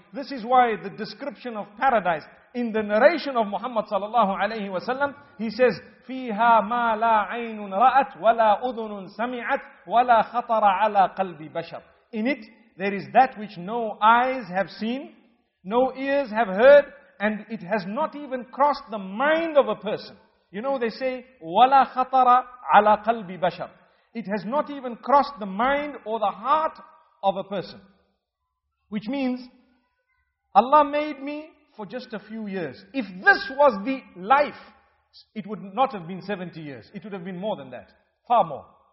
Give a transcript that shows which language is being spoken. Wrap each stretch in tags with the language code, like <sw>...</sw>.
<en>This is why the description of paradise in the narration of Muhammad sallallahu alayhi wa sallam, he says,</en> <ar>فِيهَا مَا لَا عَيْنٌ رَأَتْ وَلَا أُذُنٌ سَمِعَتْ وَلَا خَطَرَ عَلَى قَلْبِ بَشَرٍ.</ar> <en>In it, there is that which no eyes have seen, no ears have heard, and it has not even crossed the mind of a person. You know, they say,</en> <ar>وَلَا خَطَرَ عَلَى قَلْبِ بَشَرٍ.</ar> <en>It has not even crossed the mind or the heart of a person. Which means, Allah made me for just a few years. If this was the life, it would not have been 70 years. It would have been more than that. Far more.</en>